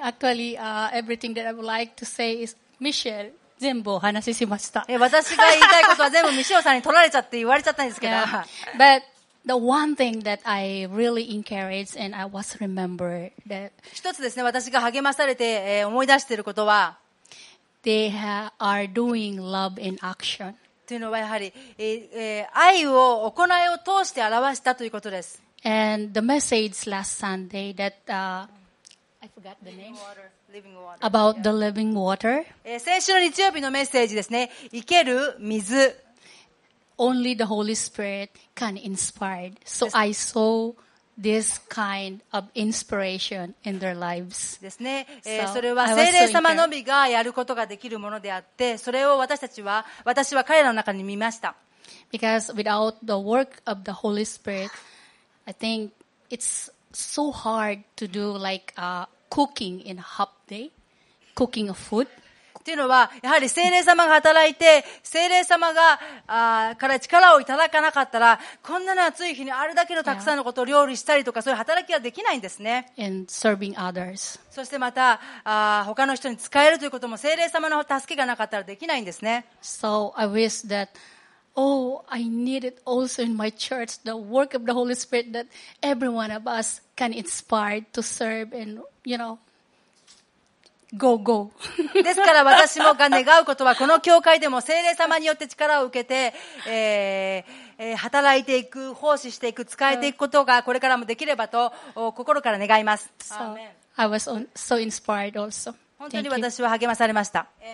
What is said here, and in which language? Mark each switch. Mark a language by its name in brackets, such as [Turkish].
[English] Actually, everything that I would like to say is Michelle. [Japanese] 全部お話ししました。私が言いたいことは全部ミシェルさんに取られちゃって言われちゃったんですけど。 [English] But the one thing that I really encourage and I was remember that [Japanese] 一つですね、私が励まされて思い出していることは。 [English] They are doing love in action. [Japanese] というのはやはり、愛を行いを通して表したということです。 [English] And the message last Sunday that, I forgot the name. Living water. About the living water. [Japanese] 先週の日曜日のメッセージですね。生ける水。 [English] Only the Holy Spirit can inspire. So I saw this kind of inspiration in their lives. [Japanese] ですね。それは聖霊様のみがやることができるものであって、それを私は彼らの中に見ました。 [English] Because without the work of the Holy Spirit, I think it's so hard to do like, cooking in a hot day, cooking a food. [Japanese] っていうのは、やはり聖霊様が働いて、聖霊様が、から力をいただかなかったら、こんなの暑い日にあれだけのたくさんのことを料理したりとか、そういう働きはできないんですね。 [English] And serving others. [Japanese] そしてまた、他の人に使えるということも、聖霊様の助けがなかったらできないんですね。 [English] So I wish that, oh, I need it also in my church, the work of the Holy Spirit that every one of us can inspire to serve and, you know,Go, go. [Japanese] ですから私もが願うことはこの教会でも聖霊様によって力を受けて、働いていく、奉仕していく、使えていくことがこれからもできればと心から願います。 [English] So, I was so inspired also. [Japanese] 本当に私は励まされました。